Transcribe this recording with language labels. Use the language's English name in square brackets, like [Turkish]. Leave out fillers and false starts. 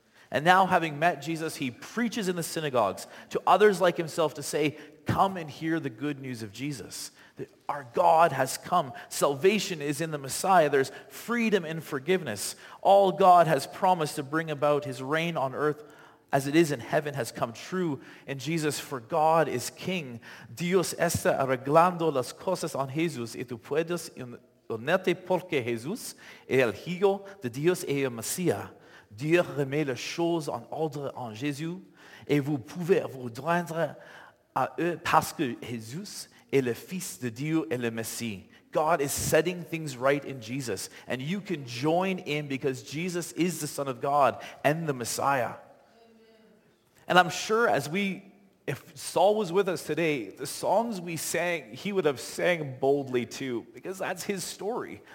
[English] And now, having met Jesus, he preaches in the synagogues to others like himself to say, come and hear the good news of Jesus. Our God has come. Salvation is in the Messiah. There's freedom and forgiveness. All God has promised to bring about his reign on earth as it is in heaven has come true in Jesus, for God is King. [Spanish] Dios está arreglando las cosas en Jesús y tú puedes porque Jesús es el hijo de Dios y el Mesías. [French] Dieu remet les choses en ordre en Jésus et vous pouvez vous joindre à eux parce que Jésus est le fils de Dieu et le Messie. [English] God is setting things right in Jesus, and you can join in because Jesus is the Son of God and the Messiah. Amen. And I'm sure if Saul was with us today, the songs we sang, he would have sang boldly too, because that's his story.